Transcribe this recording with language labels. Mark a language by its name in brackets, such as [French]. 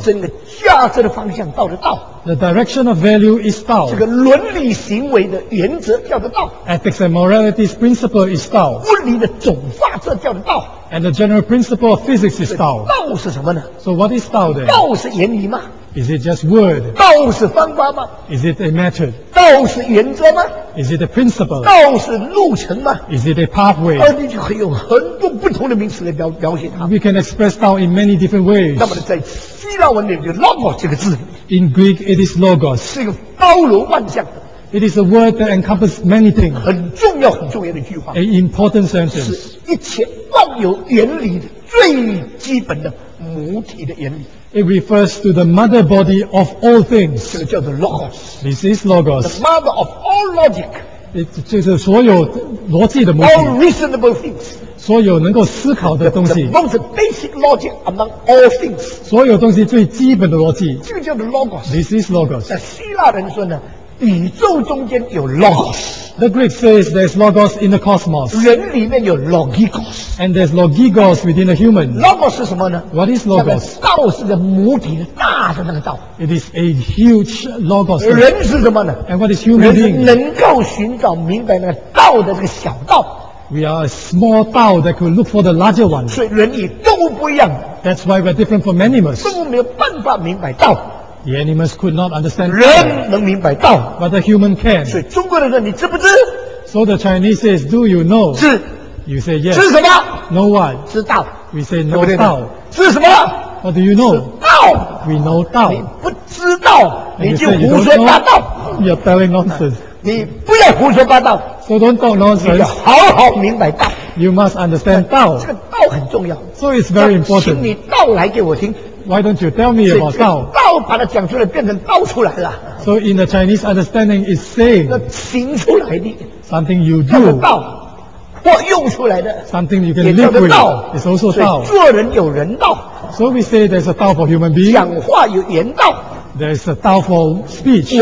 [Chinese] 整个价值的方向叫做道。 [English] The direction of value is 道。 [Chinese] 这个伦理行为的原则叫做道。 [English] Ethics and morality's principle is 道。 [Chinese] 物理的总法则叫做道。 [English] And the general principle of physics is 道。 [Chinese] 道是什么呢？ [English] So what is 道 then? [Chinese] 道是原理吗？ [English] Is it just word? [Chinese] 道是方法吗？ [English] Is it a method? [Chinese] 道是原则吗？ [English] Is it a principle? [Chinese] 道是路程吗？ [English] Is it a pathway? [Chinese] 你就可以用很多不同的名词来表现它。 [English] We can express 道 in many different ways. [Chinese] 那么在希腊文里面 logos 这个字。 [English] In Greek, it is logos. [Chinese] 是一个包罗万象的。 [English] It is a word that encompasses many things. [Chinese] 很重要很重要的句话。 [English] An important sentence. [Chinese] 是一切万有原理的最基本的母体的原理。 [English] It refers to the mother body of all things. [Chinese] 这个叫做 logos. [English] This is logos. The mother of all logic. [Chinese] 这是所有逻辑的母体。 [English] All reasonable things. [Chinese] 所有能够思考的东西。 [English] The most basic logic among all things. [Chinese] 所有东西最基本的逻辑。这个叫做 logos. [English] This is logos. [Chinese] 那希腊人说呢，宇宙中间有 logos。 [English] The Greek says there's logos in the cosmos. [Chinese] 人里面有 logikos. [English] And there's logikos within a human. [Chinese] Logos 是什么呢？ [English] What is logos? [Chinese] 道是个母体的大的那个道。 [English] It is a huge logos. [Chinese] 人是什么呢？ [English] And what is human being? [Chinese] 人能够寻找明白那个道的这个小道。 [English] We are a small 道 that could look for the larger one. [Chinese] 所以人与动物不一样。 [English] That's why we're different from animals. [Chinese] 动物没有办法明白道。 [English] The animals could not understand. [Chinese] 人能明白道 [English] ，but the human can. [Chinese] 所以中国人说你知不知 [English] ？So the Chinese says, do you know? [Chinese] 知。 [English] You say yes. [Chinese] 知什么 [English] ？Know what? [Chinese] 知道。 [English] We say know 道。 [Chinese] 知什么 [English] ？What do you know? [Chinese] 知道。 [English] We know 道。 [Chinese] 你不知道，你就胡说八道。 [English] You're telling nonsense. [Chinese] 你不要胡说八道。 [English] So don't talk nonsense. [Chinese] 你要好好明白道。 [English] You must understand 道。 [Chinese] 这个道很重要。 [English] So it's very important. [Chinese] 请你道来给我听。 [English] Why don't you tell me about 道？ [Chinese] 道把它讲出来，变成道出来了。 [English] So in the Chinese understanding, it's saying [Chinese] 那行出来的 [English] something you do [Chinese] 道或用出来的 [English] something you can live with [Chinese] 道 [English] is also 道。 [Chinese] 所以做人有人道。 [English] So we say there's a 道 for human being. [Chinese] 讲话有言道。 [English] There's a 道 for speech.